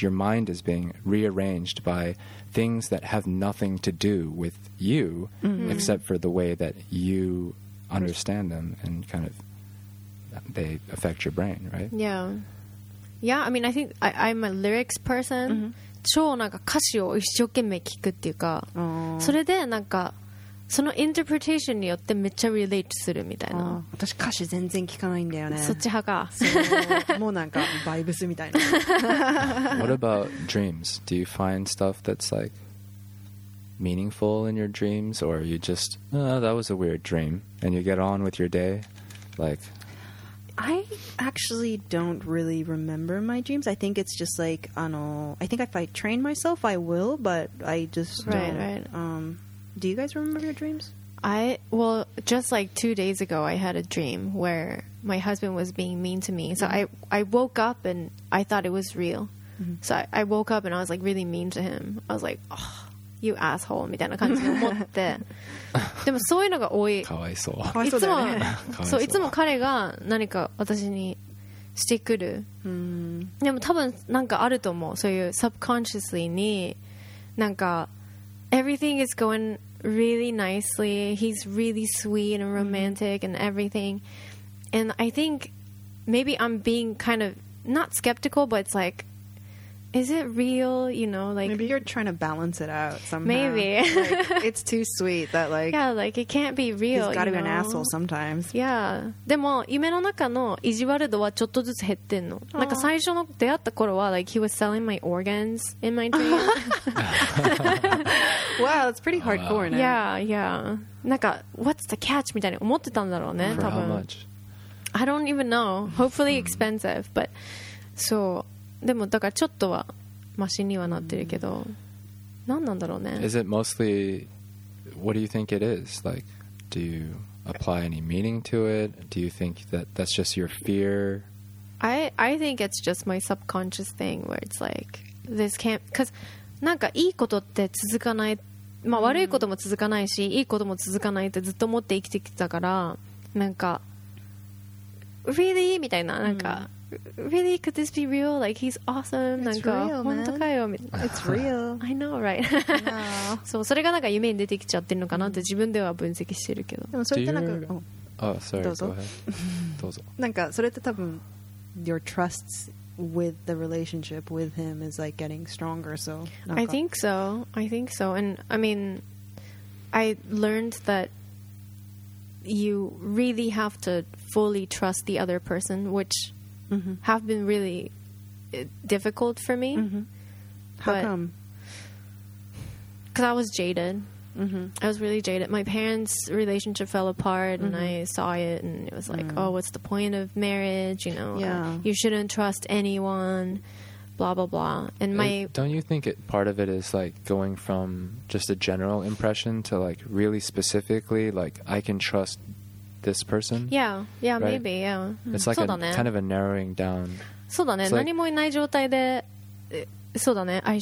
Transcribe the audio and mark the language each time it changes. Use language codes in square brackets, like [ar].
[en] Your mind is being rearranged by things that have nothing to do with you, mm-hmm. except for the way that you understand them and kind of they affect your brain, right? Yeah. Yeah, I mean, I think I'm a lyrics person. Mm-hmm. [ja] 超なんか歌詞を一生懸命聞くっていうか、それでなんかそのインタープレテーションによってめっちゃリレートするみたいな。私歌詞全然聞かないんだよね。そっち派か。もうなんかバイブスみたいな。 [en] What about dreams? Do you find stuff that's like meaningful in your dreams, or are you just, oh, that was a weird dream, and you get on with your day, like? I actually don't really remember my dreams. I think it's just like, I think if I train myself, I will, but I just don't. Right, right. Do you guys remember your dreams? Well, just like 2 days ago, I had a dream where my husband was being mean to me. So I woke up and I thought it was real. Mm. So I woke up and I was like really mean to him. I was like, oh, you asshole [ja] みたいな感じで思って。でもそういうのが多い。かわいそう。いつも、そう、いつも彼が何か私にしてくる。でも多分なんかあると思う。そういう [en] subconsciously [ja] になんか [en] everything is going really nicely. He's really sweet and romantic and everything. And I think maybe I'm being kind of not skeptical, but it's like, is it real? You know, like maybe you're trying to balance it out somehow. Maybe like, it's too sweet that like yeah, like it can't be real. He's got to be an asshole sometimes. Yeah. [ja] でも夢の中の意地悪度はちょっとずつ減ってんの。なんか最初の出会った頃は [en] like he was selling my organs in my dream. Wow, it's pretty hardcore. Wow. Yeah, yeah. [ja] なんか [en] what's the catch [ja] みたいに思ってたんだろうね。 [en] For [ja] 多分 [en] how much? I don't even know. Hopefully expensive, but so. [ja] でもだからちょっとはマシにはなってるけど、何なんだろうね。 [en] Is it mostly what do you think it is? Like, do you apply any meaning to it? Do you think that that's just your fear? I think it's just my subconscious thing where it's like this can't because [ja] なんかいいことって続かない、まあ悪いことも続かないし、いいことも続かないってずっと思って生きてきたから、なんか really みたいななんか。 [en] Really, could this be real? Like, he's awesome. It's real, man. It's real. I know, right? [ja] So, それがなんか夢に出てきちゃってるのかなって自分では分析してるけど。でもそれってなんか、 [en] oh, sorry. Go ahead. [ja] どうぞ。なんかそれって多分 [en] your trust with the relationship with him is like getting stronger. So, I think so. I think so. And I mean, I learned that you really have to fully trust the other person, which Mm-hmm. have been really difficult for me. Mm-hmm. How come? Because I was jaded. Mm-hmm. I was really jaded. My parents' relationship fell apart, mm-hmm. and I saw it, and it was like, oh, what's the point of marriage? You know, yeah. You shouldn't trust anyone, blah, blah, blah. And my don't you think it, part of it is like going from just a general impression to like really specifically, like, I can trust this person? Yeah, yeah, right? Maybe, yeah. It's like a kind of a narrowing down. [ja] そうだね。何もいない状態で、そうだね。